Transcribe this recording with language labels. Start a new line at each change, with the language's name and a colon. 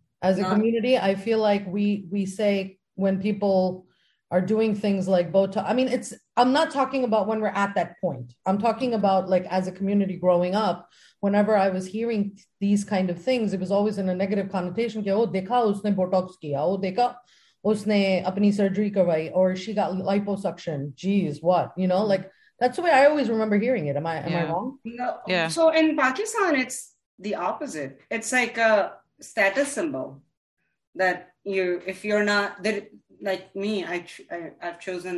English: As a community, I feel like we say when people are doing things like Botox... I mean, I'm not talking about when we're at that point. I'm talking about like as a community growing up, whenever I was hearing these kind of things, it was always in a negative connotation.
Urdu: اوہ، دیکھا اس نے Botox کیا. اوہ، دیکھا اس نے اپنی surgery کروائی.
English: Or she got liposuction. Jeez, what? You know, like that's the way I always remember hearing it. Am I wrong? No. Yeah. So in Pakistan, it's the opposite. It's like a status symbol that you, if you're not there, like me, I've chosen.